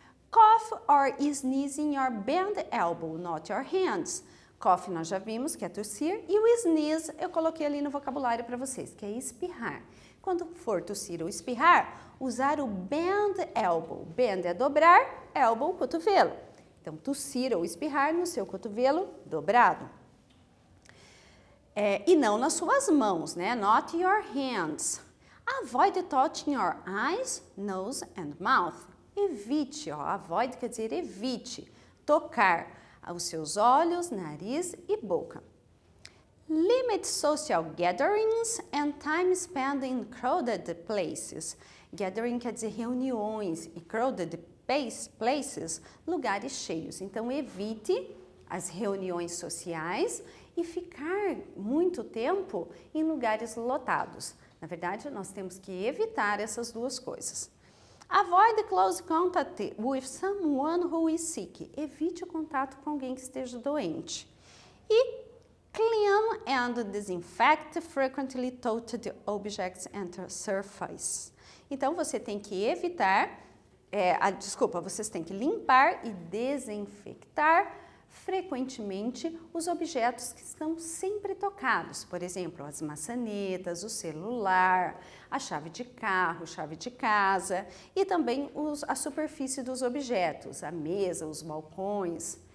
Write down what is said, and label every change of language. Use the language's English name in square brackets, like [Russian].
[English] Cough or sneeze in your bent elbow, not your hands. [Portuguese] Cough nós já vimos, que é tossir, e o sneeze eu coloquei ali no vocabulário para vocês, que é espirrar. Quando for tossir ou espirrar, usar o bend elbow. Bend é dobrar, elbow, cotovelo. Então, tossir ou espirrar no seu cotovelo dobrado. É, e não nas suas mãos, né? [English] Not your hands. Avoid touching your eyes, nose and mouth. [Portuguese] Evite, ó. Avoid quer dizer evite. Tocar os seus olhos, nariz e boca. [English] Limit social gatherings and time spent in crowded places. [Portuguese] Gathering quer dizer reuniões e crowded places, lugares cheios. Então, evite as reuniões sociais e ficar muito tempo em lugares lotados. Na verdade, nós temos que evitar essas duas coisas. [English] Avoid close contact with someone who is sick. [Portuguese] Evite o contato com alguém que esteja doente. [English] E clean and disinfect frequently touched objects and surfaces. [Portuguese] Então, você tem que evitar, vocês têm que limpar e desinfectar frequentemente os objetos que estão sempre tocados. Por exemplo, as maçanetas, o celular, a chave de carro, chave de casa e também a superfície dos objetos, a mesa, os balcões.